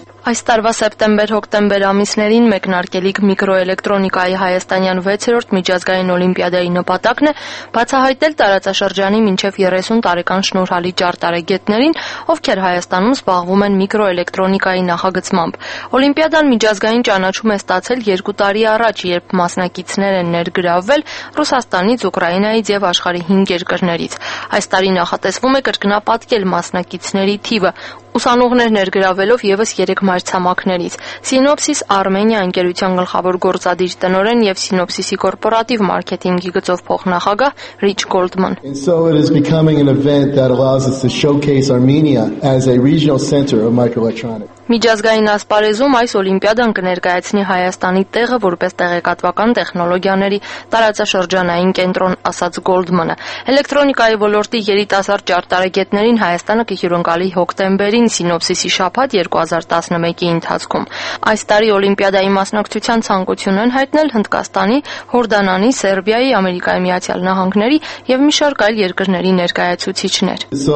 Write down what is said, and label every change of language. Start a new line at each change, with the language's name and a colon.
Armenian: Այս տարվա սեպտեմբեր-հոկտեմբեր ամիսներին մեկնարկելիք միկրոէլեկտրոնիկայի Հայաստանյան 6-րդ միջազգային օլիմպիադայի նպատակն է բացահայտել տարածաշրջանի մինչև 30 տարեկան շնորհալի ճարտարագետներին, ովքեր Հայաստանում զբաղվում են միկրոէլեկտրոնիկայի նախագծմամբ։ Օլիմպիադան միջազգային ճանաչում է ստացել 2 տարի առաջ, երբ մասնակիցներ են ներգրավվել Ռուսաստանից, Ուկրաինայից և աշխարհի 5 երկրներից։ Այս տարի նախատեսվում է կրկնապատկել մասնակիցների թիվը, ուսանողներ ներգրավելով եւս 3 մայրցամաքներից։ Սինոպսիս Արմենիա ընկերության գլխավոր գործադիր տնօրեն եւ Սինոպսիսի կորպորատիվ մարքեթինգի գծով փոխնախագահ Ռիչ Գոլդման.
English: And so it is becoming an event that allows us to showcase Armenia as a regional center of microelectronics.
Armenian: Միջազգային ասպարեզում այս օլիմպիադան կներկայացնի Հայաստանի տեղը որպես տեղեկատվական տեխնոլոգիաների տարածաշրջանային կենտրոն, ասաց Գոլդմանը։ Էլեկտրոնիկայի ոլորտի երիտասարդ ճարտարագետներին Հայաստանը կհյուրընկալի հոկտեմբերին Սինոպսիսի շաբաթ 2011-ի ընթացքում։ Այս տարի օլիմպիադայի մասնակցության ցանկությունն են հայտնել Հնդկաստանի, Հորդանանի, Սերբիայի, Ամերիկայի Միացյալ Նահանգների եւ մի շարք այլ երկրների ներկայացուցիչներ։